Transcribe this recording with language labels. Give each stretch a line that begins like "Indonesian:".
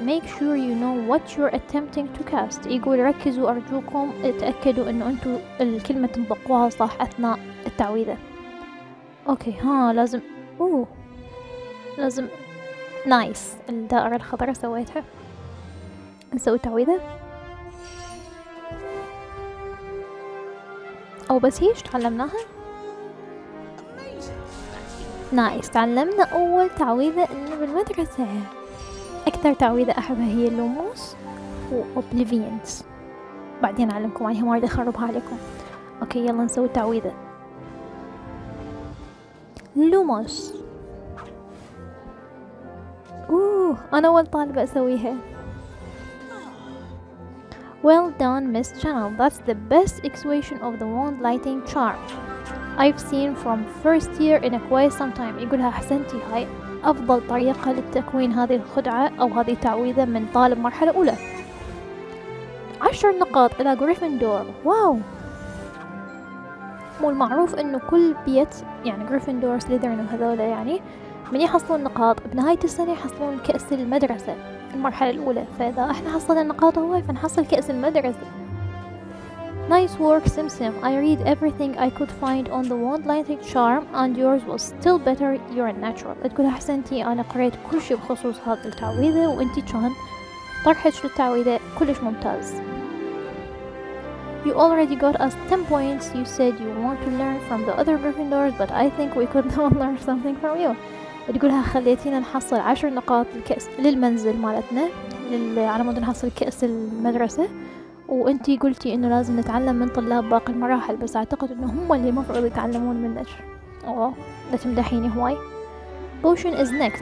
English: Make sure you know what you're attempting to cast.
Arabic: يقول ركزوا أرجوكم، اتأكدوا إنه أنتوا الكلمة تنطقوها صح أثناء التعويذة. أوكي ها لازم لازم نايس الدائرة الخضراء سويتها. نسوي تعويذة أو بس هيش تعلمناها. نايس تعلمنا أول تعويذة إنه بالمدرسة. أكثر تعويذة أحبها هي اللوموس و أوبليفينز، بعدين أعلمكم عليها ما أريد أخربها عليكم. أوكي يلا نسوي تعويذة. لوموس. أنا أول طالبة أسويها.
English: Well done Miss Channel. That's the best equation of the wand lighting charm I've seen from first year in a quite some time.
Arabic: يقولها أحسنتي، هاي أفضل طريقة لتكوين هذه الخدعة أو هذه التعويذة من طالب مرحلة أولى. 10 نقاط إلى غريفندور. واو مو المعروف إنه كل بيت يعني غريفندور سليذرين وهذولا يعني من يحصلون نقاط بنهاية السنة يحصلون كأس المدرسة المرحلة الأولى، فإذا إحنا حصلنا النقاط هواي فنحصل كأس المدرسة.
English: Nice work, Simsim. I read everything I could find on the wand lighting charm, and yours was still better. You're a natural.
Arabic: تقول أحسنتي، أنا قرأت كل شيء بخصوص هذا التعويذة، وأنتي كان طرحك للتعويذة كلش ممتاز.
English: You already got us 10 points. You said you want to learn from the other Gryffindors, but I think we could learn something from you.
Arabic: تقولها خليتينا نحصل 10 نقاط للكأس للمنزل مالتنا، على مود نحصل كأس المدرسة. وانتي قلتي انه لازم نتعلم من طلاب باقي المراحل، بس اعتقد انه هم اللي مفروض يتعلمون منك. اوه لا تمدحيني هواي.
English: Potion is next.